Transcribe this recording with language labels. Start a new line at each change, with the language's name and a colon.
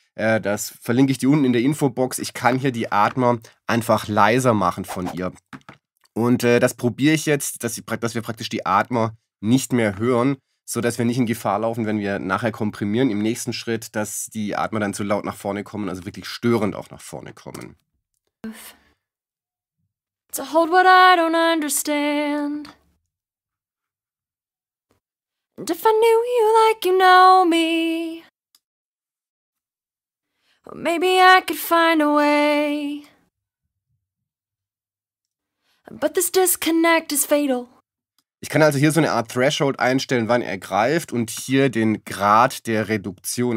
German: Das verlinke ich dir unten in der Infobox. Ich kann hier die Atmer einfach leiser machen von ihr. Und das probiere ich jetzt, dass wir praktisch die Atmer nicht mehr hören, sodass wir nicht in Gefahr laufen, wenn wir nachher komprimieren im nächsten Schritt, dass die Atmer dann zu laut nach vorne kommen, also wirklich störend auch nach vorne kommen.
English: To hold what I don't understand. And if I knew you like you know me, well, maybe I could find a way. But this disconnect is fatal.
German: Ich kann also hier so eine Art Threshold einstellen, wann er greift, und hier den Grad der Reduktion.